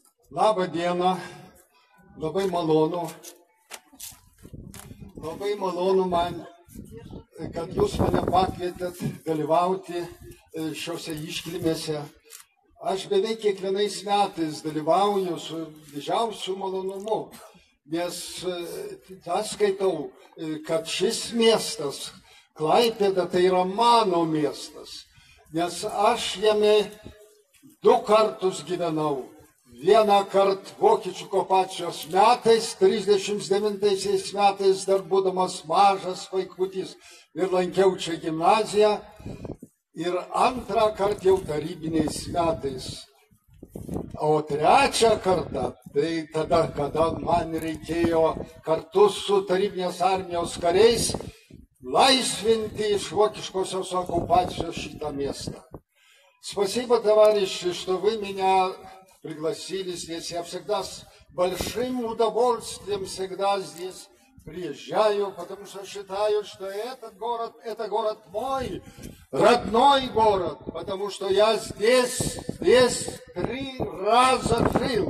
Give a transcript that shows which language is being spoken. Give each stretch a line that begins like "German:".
Lithuanian: Лаба Дена, Лобай Малону, Лобай Малону мен, kad jūs mane pakvietėt dalyvauti šiuose iškilmėse. Aš beveik kiekvienais metais dalyvauju su didžiausiu malonumu, nes aš skaitau, kad šis miestas, Klaipėda, tai yra mano miestas, nes aš jame du kartus gyvenau. Vieną kartą vokiečių okupacijos metais, 39 metais, dar būdamas mažas vaikutis, ir lankiau čia gimnaziją, ir antrą kartą jau tarybiniais metais. O trečią kartą, tai tada, kada man reikėjo kartu su tarybinės armijos kariais laisvinti iš vokiškosios okupacijos šitą miestą.
Russian: Спасибо, товарищи, что вы меня пригласили здесь. Я всегда с большим удовольствием всегда здесь приезжаю, потому что считаю, что этот город, это город мой, родной город, потому что я здесь три раза жил.